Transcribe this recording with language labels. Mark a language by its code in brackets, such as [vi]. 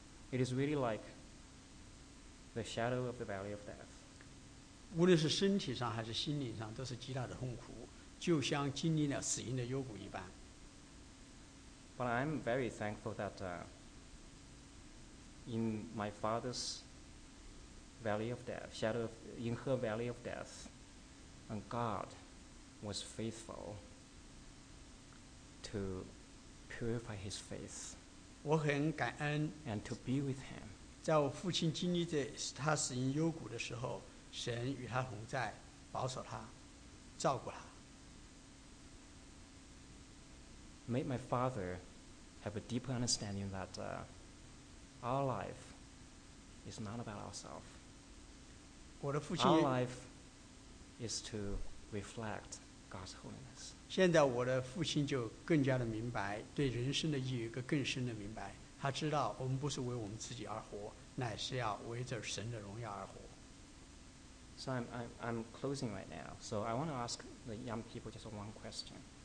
[en] It is really like the shadow of the valley of death. [zh] 无论是身体上还是心灵上，都是极大的痛苦，就像经历了死因的幽谷一般。 [en] But I'm very thankful that in my father's valley of death, shadow of, in her valley of death, and God was faithful to purify his faith. [zh] 我很感恩, [en] and to be with him. [zh] 在我父亲经历着他死因幽谷的时候, 神与他同在, 保守他, 照顾他。 [en] Made my father have a deeper understanding that our life is not about ourselves. [zh] 我的父亲, [en] our life is to reflect God's holiness. [zh] 现在我的父亲就更加的明白，对人生的意义有一个更深的明白。他知道我们不是为我们自己而活，乃是要为着神的荣耀而活。 [en] So I'm closing right now. So I want to ask the young people just one question.